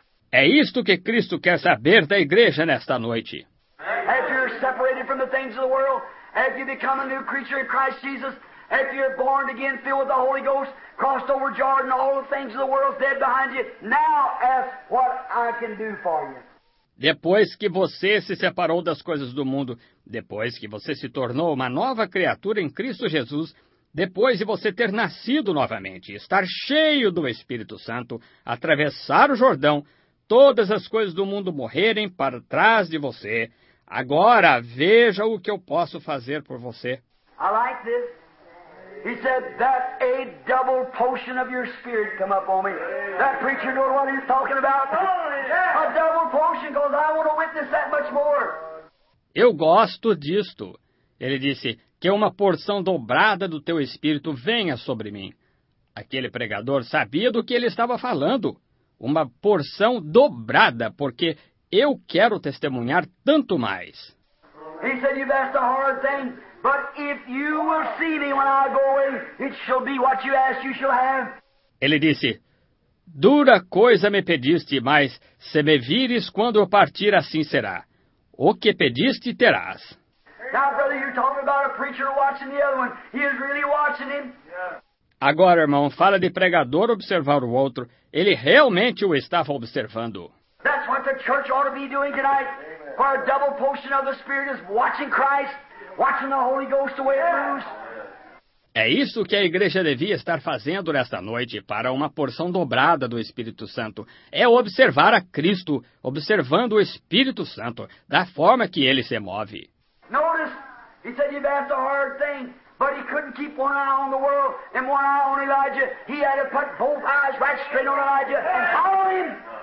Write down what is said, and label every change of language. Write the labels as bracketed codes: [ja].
[pt] É isto que Cristo quer saber da igreja nesta noite. [en] After you're separated from the things of the world, after you become a new creature in Christ Jesus, after you're born again, filled with the Holy Ghost, crossed over Jordan, all the things of the world dead behind you, now ask what I can do for you. [pt] Depois que você se separou das coisas do mundo, depois que você se tornou uma nova criatura em Cristo Jesus, depois de você ter nascido novamente, estar cheio do Espírito Santo, atravessar o Jordão, todas as coisas do mundo morrerem para trás de você, agora veja o que eu posso fazer por você. [en] I like this. He said that a double portion of your spirit come up on me. That preacher knows what he's talking about. A double portion, because I want to witness that much more. [pt] Eu gosto disto. Ele disse que uma porção dobrada do teu espírito venha sobre mim. Aquele pregador sabia do que ele estava falando. Uma porção dobrada, porque eu quero testemunhar tanto mais. [en] He said you've asked a hard thing. But if you will see me when I go away, it shall be what you ask, you shall have. [pt] Ele disse, dura coisa me pediste, mas se me vires quando eu partir, assim será. O que pediste, terás. [en] Now, brother, you're talking about a preacher watching the other one. He is really watching him. Yeah. [pt] Agora, irmão, fala de pregador observar o outro. Ele realmente o estava observando. [en] That's what the church ought to be doing tonight. For a double portion of the Spirit is watching Christ. Watching the Holy Ghost the way it moves. [pt] É isso que a igreja devia estar fazendo nesta noite para uma porção dobrada do Espírito Santo. É observar a Cristo, observando o Espírito Santo, da forma que Ele se move. [en] Notice, he said you've asked a hard thing, but he couldn't keep one eye on the world and one eye on Elijah. He had to put both eyes right straight on Elijah and follow him.